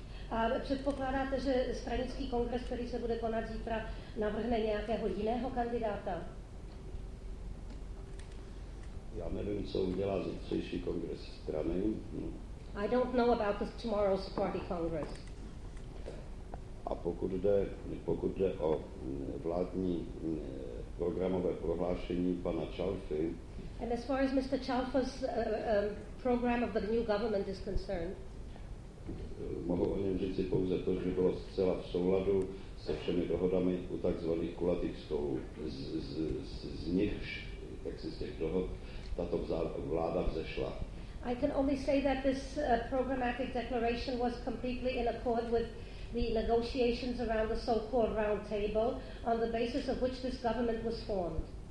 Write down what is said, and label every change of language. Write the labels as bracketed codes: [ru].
[cs] A předpokládáte, že stranický kongres, který se bude konat zítra, navrhne nějakého jiného kandidáta? Já nevím, co udělá zítřejší kongres strany. [en] I don't know about the tomorrow's party congress. [cs] A pokud jde o vládní programové prohlášení pana Čalfy. [en] And as far as Mr. Chalfa's program of the new government is concerned. [cs] Mohu o něm říct si pouze to, že bylo zcela v souladu se všemi dohodami u takzvaných kulatých stolů. Z nichž, jak si z těch dohod, tato vláda vzešla. [en] I can only say that this programmatic declaration was completely in accord with the negotiations around the so-called round table on the basis of which this government was formed.